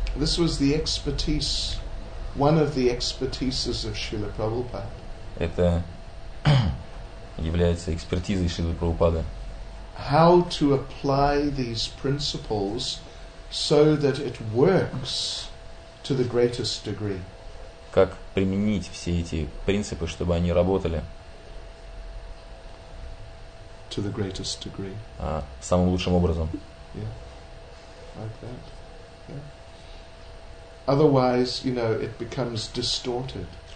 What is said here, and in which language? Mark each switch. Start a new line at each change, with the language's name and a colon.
English: This was the expertise, one of the expertises of Srila Prabhupada.
Russian: Это является экспертизой Шрилы Прабхупады.
English: How to apply these principles so that it works to the greatest degree.
Russian: Как применить все эти принципы, чтобы они работали?
English: To the greatest degree.
Russian: Самым лучшим образом.
English: Yeah. Like that. Yeah. Otherwise, you know, it becomes distorted.